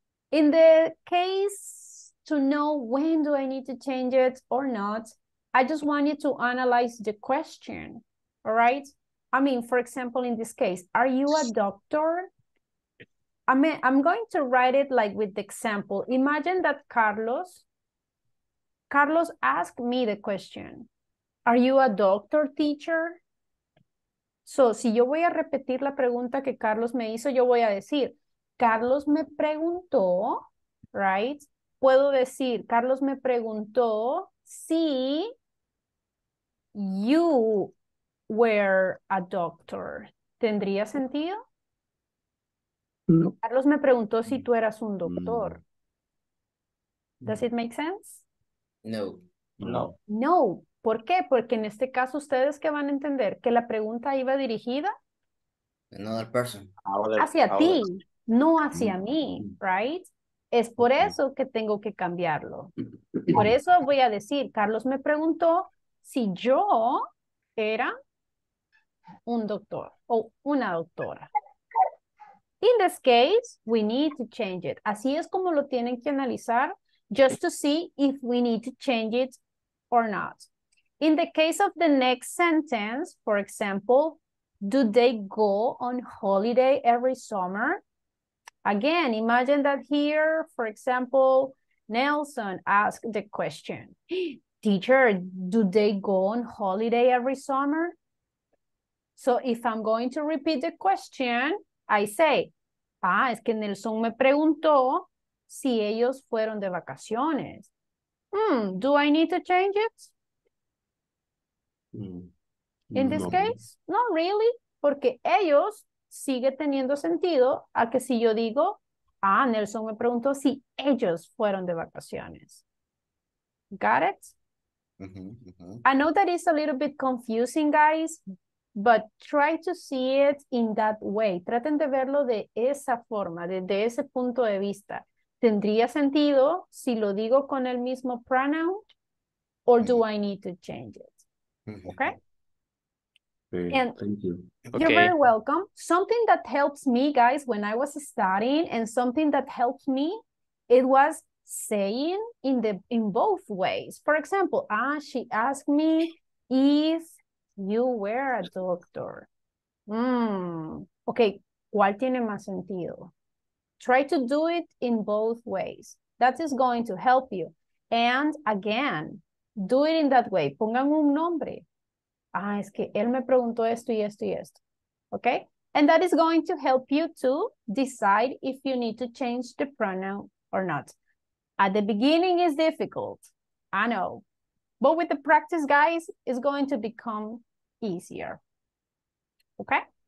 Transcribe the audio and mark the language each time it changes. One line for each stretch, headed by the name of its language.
English: In the case to know when do I need to change it or not, I just want you to analyze the question, all right? I mean, for example, in this case, are you a doctor? I'm going to write it like with the example. Imagine that Carlos asked me the question, are you a doctor, teacher?
Spanish: So, si yo voy a repetir la pregunta que Carlos me hizo, yo voy a decir, Carlos me preguntó,
English: right?
Spanish: Puedo decir, Carlos me preguntó si
English: you were a doctor.
Spanish: ¿Tendría sentido? No. Carlos me preguntó si tú eras un doctor.
English: No. Does it make sense? No. No.
Spanish: No. ¿Por qué? Porque en este caso, ¿ustedes qué van a entender? ¿Que la pregunta iba dirigida?
English: Another person.
Spanish: Hacia ti, no hacia mí,
English: right?
Spanish: Es por eso que tengo que cambiarlo. Por eso voy a decir, Carlos me preguntó si yo era un doctor o una doctora.
English: In this case, we need to change it.
Spanish: Así es como lo tienen que analizar,
English: just to see if we need to change it or not. In the case of the next sentence, for example, do they go on holiday every summer? Again, imagine that here, for example, Nelson asked the question, teacher, do they go on holiday every summer? So if I'm going to repeat the question, I say, ah,
Spanish: es que Nelson me preguntó si ellos fueron de vacaciones.
English: Do I need to change it? In this case, no really,
Spanish: porque ellos sigue teniendo sentido a que si yo digo, ah, Nelson me preguntó si ellos fueron de vacaciones.
English: Got it? I know that is a little bit confusing, guys, but try to see it in that way.
Spanish: Traten de verlo de esa forma, desde ese punto de vista. ¿Tendría sentido si lo digo con el mismo pronoun?
English: Or do I need to change it? Okay? And thank you. You're okay. Very welcome. Something that helps me, guys, when I was studying, and something that helped me, it was saying in both ways. For example, ah, she asked me if you were a doctor. Okay,
Spanish: ¿cuál tiene más sentido?
English: Try to do it in both ways. That is going to help you. And again, do it in that way.
Spanish: Pongan un nombre. Ah, es que él me preguntó esto y esto y esto.
English: Okay? And that is going to help you to decide if you need to change the pronoun or not. At the beginning is difficult. I know. But with the practice, guys, it's going to become easier. Okay?